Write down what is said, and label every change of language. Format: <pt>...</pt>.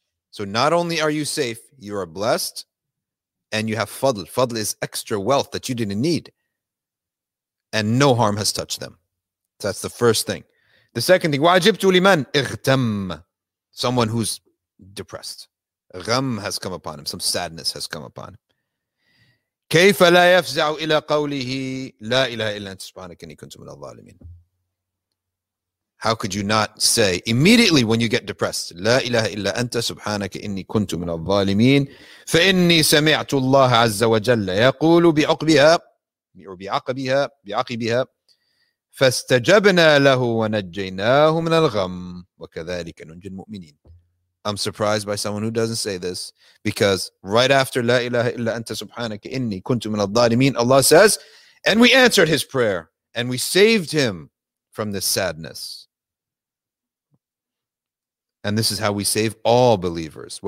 <en>So not only are you safe, you are blessed and you have fadl. Fadl is extra wealth that you didn't need. And no harm has touched them. So that's the first thing. The second thing,</en> <ar>wajibtu liman ightam,</ar> <en>someone who's depressed. Gham has come upon him. Some sadness has come upon him.</en> <ar>كيف لا يفزع إلى قوله لا إله إلا أنت سبحانك إني كنت من الظالمين.</ar> <en>How could you not say immediately when you get depressed,</en> <ar>لا إله إلا أنت سبحانك إني كنت من الظالمين. فإني سمعت الله عز وجل يقول بعقبها or بعقبها بعقبها فاستجبنا له ونجيناه من الغم وكذلك ننجي المؤمنين.</ar> <en>I'm surprised by someone who doesn't say this, because right after</en> <ar>La ilaha illa anta subhanaka inni kuntu min al-dhalimeen,</ar> <en>Allah says, and we answered his prayer and we saved him from this sadness. And this is how we save all believers.</en>